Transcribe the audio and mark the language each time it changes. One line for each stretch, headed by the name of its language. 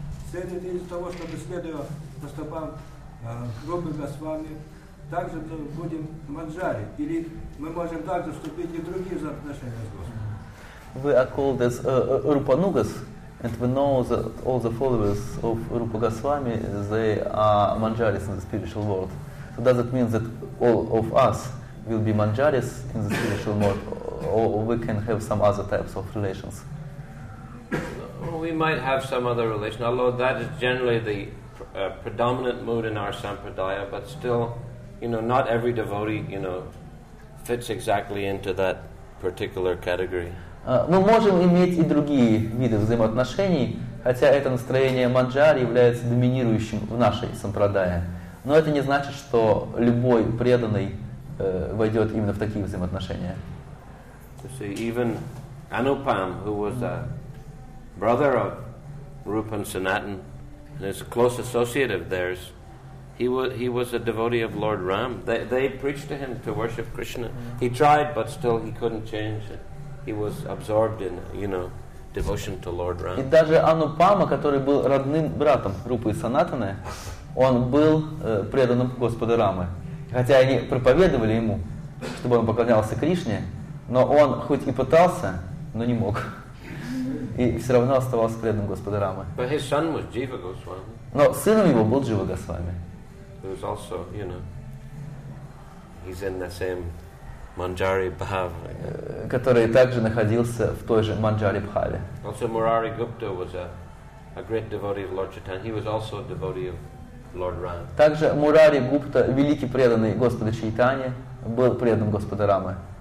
Russian: Цель это из-за того, чтобы, следуя по стопам Рупы Госвами, также будем манджари. Или мы можем также вступить и в другие отношения с Господом.
English: We are called as Rupanugas. And we know that all the followers of Rupa Goswami, they are manjaris in the spiritual world. So does it mean that all of us will be manjaris in the spiritual world, or we can have some other types of relations? Well, we might have some other relation, although that is generally the predominant mood in our sampradaya, but still, you know, not every devotee, you know, fits exactly into that particular category.
Russian: Мы можем иметь и другие виды взаимоотношений, хотя это настроение манджари является доминирующим в нашей сампрадае. Но это не значит, что любой преданный войдет именно в такие взаимоотношения.
English: You see, even Anupam, who was a brother of Rupan Sanatan, and his close associate of theirs, he was a devotee of Lord Ram. They preached to him to worship Krishna. He tried, but still he couldn't change it. He was absorbed in, you know, devotion to Lord Ram.
Russian: И даже Анупама, который был родным братом Рупы и Санатаны, он был преданным Господу Рамы. Хотя они проповедовали ему, чтобы он поклонялся Кришне, но он хоть и пытался, но не мог. И все равно оставался преданным Господу Рамы.
English: But his son was Jiva Goswami.
Russian: Но сыном его был Джива Госвами.
English: He was also, you know, he's in the same Manjari Bhava,
Russian: который также находился в той же Манджари Бхаве.
English: Also Murari Gupta was a great devotee of Lord Chaitanya. He was also a devotee of Lord Ram.
Russian: Также Мурари Гупта, великий преданный Господа Чайтани, был преданным Господа Рамы.